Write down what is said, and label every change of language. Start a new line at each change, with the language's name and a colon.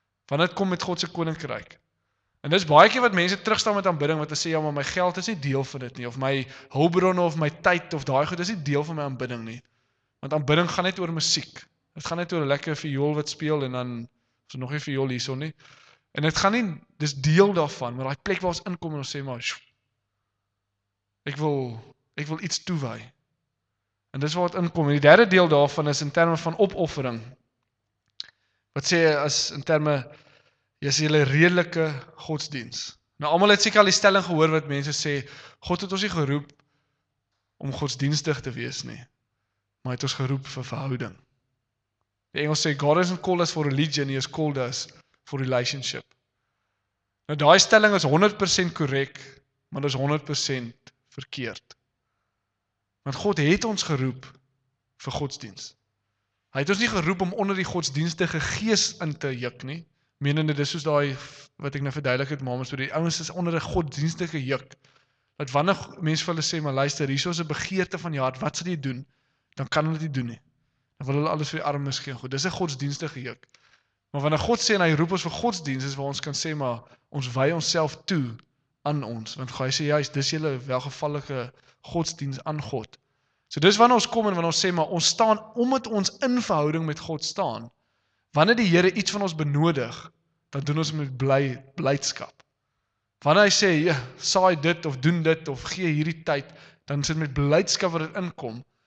Afrikaans: Want dit kom met God se koninkryk. En dis baie keer wat mense terugstaan met aanbidding wat hulle sê ja, maar my geld is nie deel van dit nie of my hulpbronne of my tyd of daai goed is nie deel van my aanbidding nie. Want aanbidding gaan net oor musiek. Dit gaan net oor 'n lekker viool wat speel en dan is nog nie viool hierson nie. En dit gaan nie dis deel daarvan, maar daai plek waar ons inkom en ons sê maar ek wil iets toewy. En dis waar dit inkom. En die derde deel daarvan is in terme van opoffering. Wat sê as in terme jy sê julle redelike godsdiens. Nou almal het seker al die stelling gehoor wat mense sê, God het ons nie geroep om godsdienstig te wees nie, maar het ons geroep vir verhouding. Die Engels sê
English: God isn't called us for religion, he has called us for relationship.
Afrikaans: Nou daai stelling is 100% korrek, maar dit is 100% verkeerd. Want God het ons geroep vir godsdiens. Hy het ons nie geroep om onder die godsdienstige gees in te juk nie. Menende dis soos daai wat ek nou verduidelik het, mames, oor die ouens is onder 'n godsdienstige juk. Dat wanneer mense vir hulle sê, maar luister, hierso's 'n begeerte van jou hart, wat sal jy doen? Dan kan hulle dit doen nie. Dan wil hulle alles vir die armes gee. Goed, dis 'n godsdienstige juk. Maar wanneer God sê en hy roep ons vir godsdiens, is waar ons kan sê, maar ons wy onsself toe aan ons, want hy sê juist, dis julle welgevallige godsdiens aan God. So dis wanneer ons kom en wanneer ons sê, maar ons staan omdat ons in verhouding met God staan. Wanneer die Here iets van ons benodig, dan doen ons met blydskap. Wanneer hy sê, ja, saai dit of doen dit of gee hierdie tyd, dan is dit met blydskap wat dit inkom.